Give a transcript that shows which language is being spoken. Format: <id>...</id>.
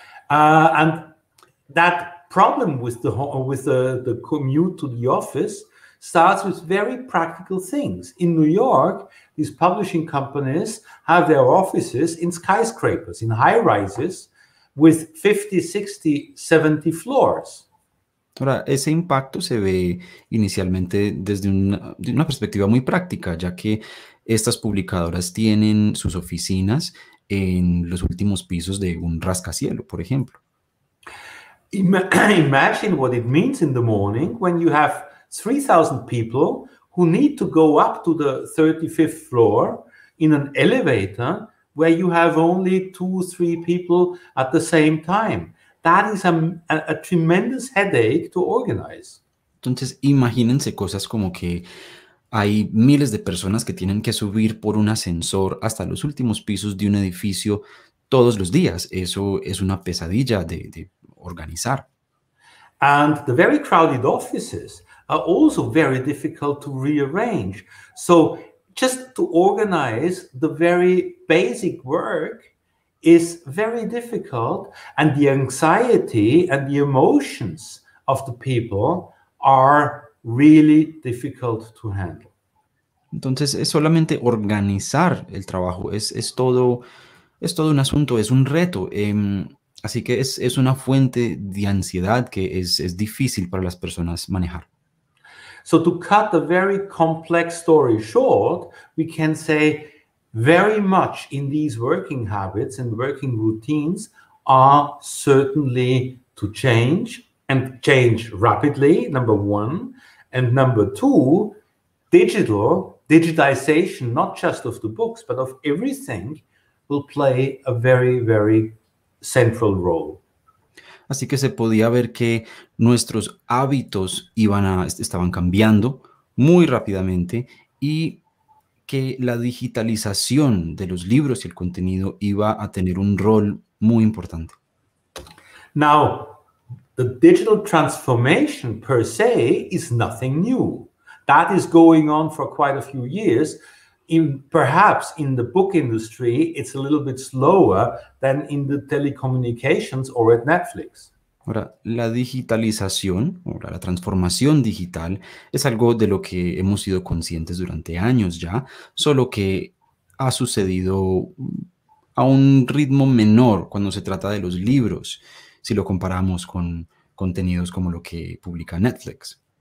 <en>And that problem with the commute to the office starts with very practical things. In New York, these publishing companies have their offices in skyscrapers, in high rises, with 50, 60, 70 floors.</en> <es>Ahora, ese impacto se ve inicialmente desde una perspectiva muy práctica, ya que estas publicadoras tienen sus oficinas en los últimos pisos de un rascacielos, por ejemplo.</es> <en>Imagine what it means in the morning when you have 3,000 people who need to go up to the 35th floor in an elevator where you have only 2-3 people at the same time. That is a tremendous headache to organize.</en> <es>Entonces, imagínense cosas como que hay miles de personas que tienen que subir por un ascensor hasta los últimos pisos de un edificio todos los días. Eso es una pesadilla de organizar.</es> <en>And the very crowded offices are also very difficult to rearrange. So just to organize the very basic work is very difficult, and the anxiety and the emotions of the people are really difficult to handle.</en> <es>Entonces, es solamente organizar el trabajo. Es todo un asunto, es un reto. Así que es una fuente de ansiedad que es difícil para las personas manejar.</es> <en>So to cut a very complex story short, we can say very much in these working habits and working routines are certainly to change and change rapidly, number one. And number two, digitization, not just of the books, but of everything, will play a very, very central role.</en> <es>Así que se podía ver que nuestros hábitos estaban cambiando muy rápidamente y que la digitalización de los libros y el contenido iba a tener un rol muy importante.</es> <en>Now, the digital transformation per se is nothing new. That is going on for quite a few years. Perhaps in the book industry, it's a little bit slower than in the telecommunications or at Netflix.</en> <es>Ahora, la digitalización o la transformación digital es algo de lo que hemos sido conscientes durante años ya, solo que ha sucedido a un ritmo menor cuando se trata de los libros, si lo comparamos con contenidos como lo que publica Netflix.</es>